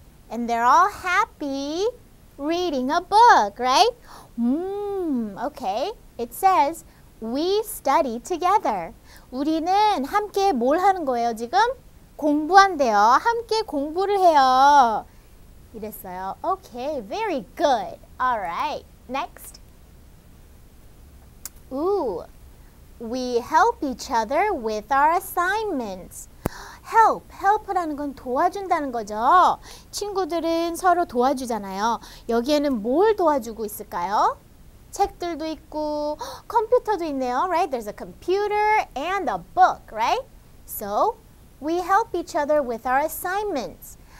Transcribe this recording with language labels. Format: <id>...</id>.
<en>And they're all happy reading a book, right? Okay. It says, we study together.</en> <ko>우리는 함께 뭘 하는 거예요, 지금? 공부한대요. 함께 공부를 해요. 이랬어요.</ko> <en>Okay, very good. All right. Next. We help each other with our assignments.</en> <ko>Help이라는 건 도와준다는 거죠. 친구들은 서로 도와주잖아요. 여기에는 뭘 도와주고 있을까요? 책들도 있고 컴퓨터도 있네요.</ko> <en>Right? There's a computer and a book, right? So, we help each other with our assignments.</en>